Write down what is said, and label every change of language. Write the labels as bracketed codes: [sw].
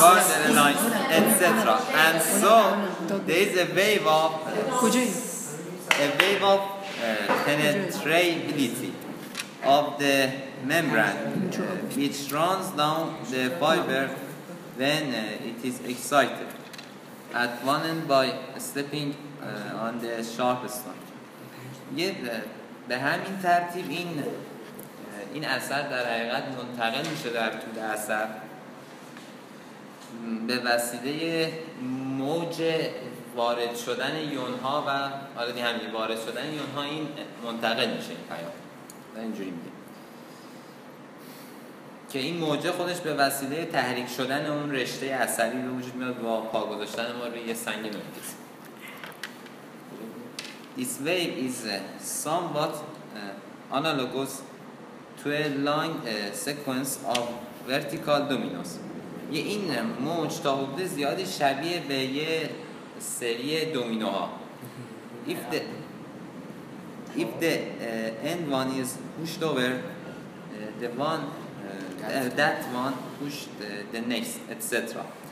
[en] And so there is a wave of penetrability of the membrane which runs down the fiber when it is excited at one end by stepping on the sharp stone. [fa] یه به همین ترتیب این اثر در حقیقت منتقل میشه در طول اثر به وسیله موج وارد شدن یون ها و آره همین وارد شدن یون ها این منتقل میشه این پیام و اینجوری میگه که این موجه خودش به وسیله تحریک شدن اون رشته عصبی به وجود میاد و پا گذاشتن ما روی یه سنگ نمیدید. [en] This wave is somewhat analogous to a long sequence of vertical dominoes. [fa] یه این موج تا حدود زیاد شبیه به یه سری دومینوها. [en] If the end one is pushed over, the next, etc.